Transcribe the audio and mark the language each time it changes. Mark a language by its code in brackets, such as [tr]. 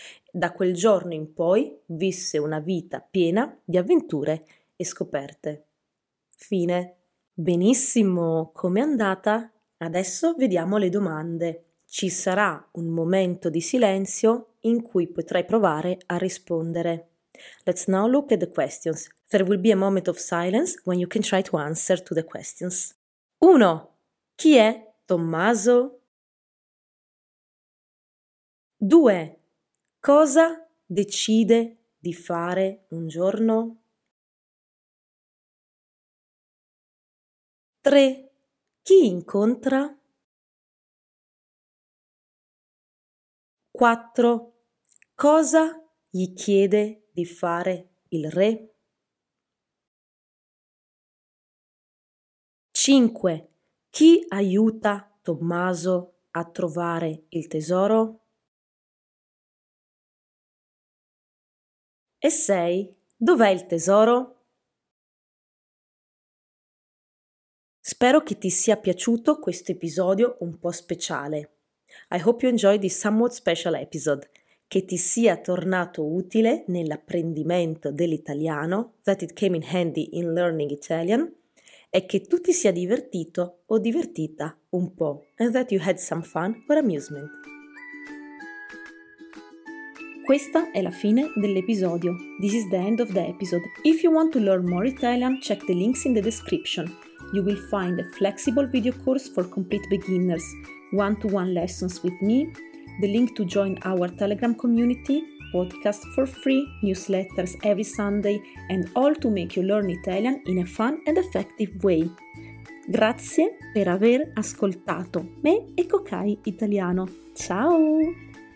[it] Da quel giorno in poi visse una vita piena di avventure e scoperte. Fine. Benissimo, com'è andata? Adesso vediamo le domande. Ci sarà un momento di silenzio in cui potrai provare a rispondere. [en] Let's now look at the questions. There will be a moment of silence when you can try to answer to the questions. [it] 1. Chi è Tommaso? 2. Cosa decide di fare un giorno? 3. Chi incontra? 4. Cosa gli chiede di fare il re? 5. Chi aiuta Tommaso a trovare il tesoro? E 6. Dov'è il tesoro? Spero che ti sia piaciuto questo episodio un po' speciale. [en] I hope you enjoyed this somewhat special episode. [it] Che ti sia tornato utile nell'apprendimento dell'italiano, [en] that it came in handy in learning Italian, [it] e che tu ti sia divertito o divertita un po', [en] and that you had some fun or amusement. [it] Questa è la fine dell'episodio. [en] This is the end of the episode. If you want to learn more Italian, check the links in the description. You will find a flexible video course for complete beginners, one-to-one lessons with me, the link to join our Telegram community, podcast for free, newsletters every Sunday, and all to make you learn Italian in a fun and effective way. [it] Grazie per aver ascoltato me e Kokai Italiano. Ciao!